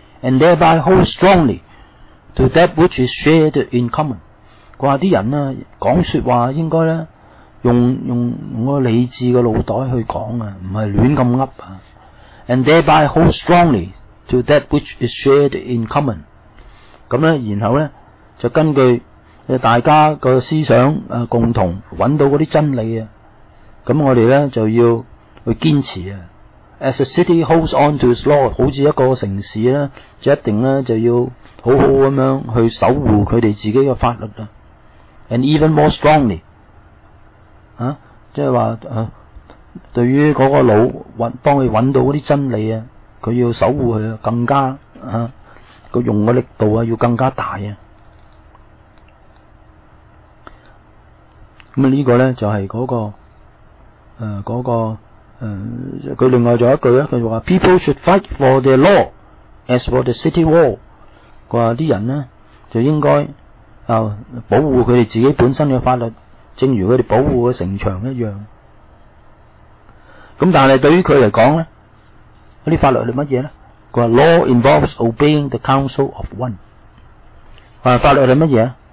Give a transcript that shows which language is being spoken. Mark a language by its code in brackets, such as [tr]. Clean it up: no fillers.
[en] And thereby hold strongly to that which is shared in common。 [yue] 佢话啲人啊，讲说话应该咧用个理智嘅脑袋去讲啊，唔系乱咁噏啊。 [en] And thereby hold strongly to that which is shared in common。 [yue] 咁咧，然后咧就根据大家个思想共同揾到嗰啲真理啊。咁我哋咧就要去坚持啊。 [en] As a city holds on to its law， [yue] 好似一个城市咧，就一定咧就要好好咁样去守护佢哋自己嘅法律啦。 [en] And even more strongly， [yue] 啊，即系话啊，对于嗰个脑揾帮佢揾到嗰啲真理啊，佢要守护佢更加啊，佢用嘅力度啊要更加大啊。咁呢个咧就系嗰个。佢另外仲有一句咧，佢话 [en] People should fight for their law as for the city wall。 [yue] 佢话啲人咧就应该保护佢哋自己本身嘅法律，正如佢哋保护嘅城墙一样。咁但系对于佢嚟讲咧，嗰啲法律系乜嘢咧？佢话 [en] Law involves obeying the counsel of one。 [yue] 话法律系乜嘢？